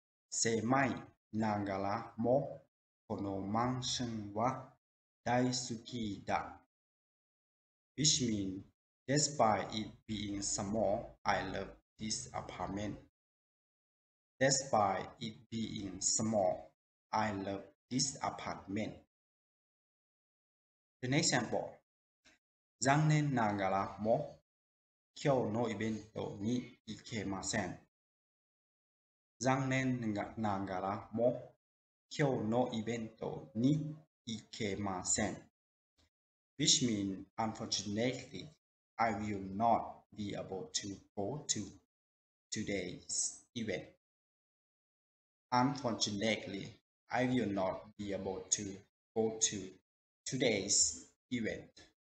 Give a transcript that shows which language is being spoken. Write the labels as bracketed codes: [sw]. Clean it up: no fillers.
[ja] Semai nagaramo kono mansion wa daisuki da. [en] Which means, despite it being small, I love this apartment. Despite it being small, I love this apartment. The next example. [ja] 残念ながらも今日のイベントに行けません。残念ながらも今日のイベントに行けません。 [en] Which means, unfortunately, I will not be able to go to today's event. Unfortunately, I will not be able to go to today's event.